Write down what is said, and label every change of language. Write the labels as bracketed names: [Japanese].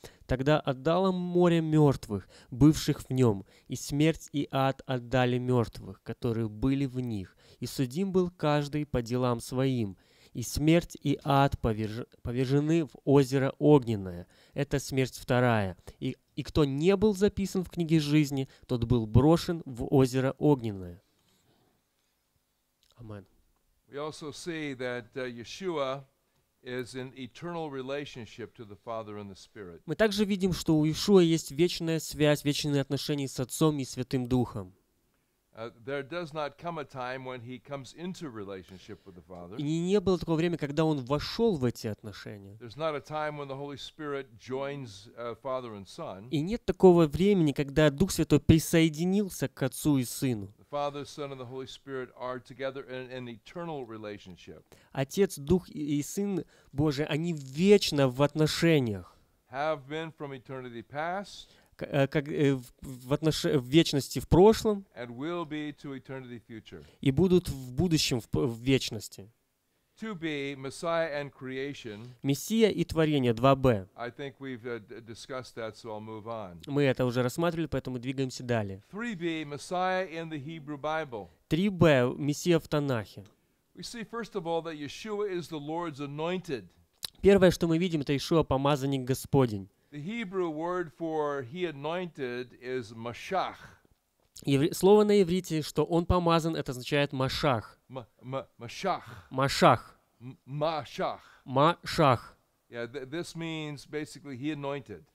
[Russian] Тогда отдало море мертвых, бывших в нем, и смерть и ад отдали мертвых, которые были в них, и судим был каждый по делам своим. и смерть, и ад повержены в озеро огненное. Это смерть вторая. И кто не был записан в книге жизни, тот был брошен в озеро огненное. Амен. [English] We also see that Yeshua is in eternal relationship to the Father and the Spirit. [Russian] Мы также видим, что у Иешуа есть вечная связь, вечные отношения с Отцом и Святым Духом. [English] There does not come a time when he comes into relationship with the Father. [Russian] И не было такого времени, когда он вошел в эти отношения. [English] There's not a time when the Holy Spirit joins Father and Son. [Russian] И нет такого времени, когда Дух Святой присоединился к Отцу и Сыну. [English] Father, Son, and the Holy Spirit are together in an eternal relationship. [Russian] Отец, Дух и Сын Божий, они вечно в отношениях. [English] Have been from eternity past. [Russian] В вечности в прошлом. [English] And will be to eternity future. [Russian] И будут в будущем в вечности. [English] To be Messiah and creation. [Russian] Мессия и творение 2b. [English] I think we've discussed that, so I'll move on. [Russian] Мы это уже рассматривали, поэтому двигаемся далее. [English] 3b Messiah in the Hebrew Bible. [Russian] 3b Мессия в Танахе. [English] We see first of all that Yeshua is the Lord's anointed. [Russian] Первое, что мы видим, это Иешуа помазанник Господень. [English] The Hebrew word for he anointed is mashach. [Russian] Слово на иврите, что он помазан, это означает машах. Машах. Машах. Машах. Машах. [English] Yeah, this means basically he anointed.